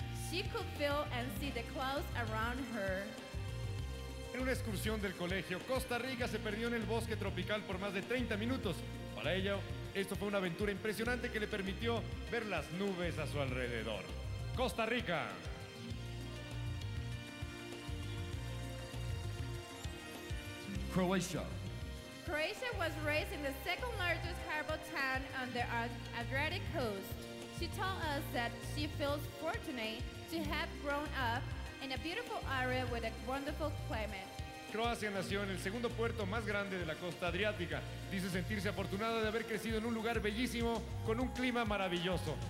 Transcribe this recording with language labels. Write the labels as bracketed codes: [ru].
[en] She could feel and see the clouds around her. [es] En una excursión del colegio, Costa Rica se perdió en el bosque tropical por más de 30 minutos. Para ello, esto fue una aventura impresionante que le permitió ver las nubes a su alrededor. ¡Costa Rica! [en] Croatia. Croatia was raised in the second largest harbor town on the Adriatic coast. She told us that she feels fortunate to have grown up in a beautiful area with a wonderful climate. [es] Croacia nació en el segundo puerto más grande de la costa adriática. Dice sentirse afortunada de haber crecido en un lugar bellísimo con un clima maravilloso.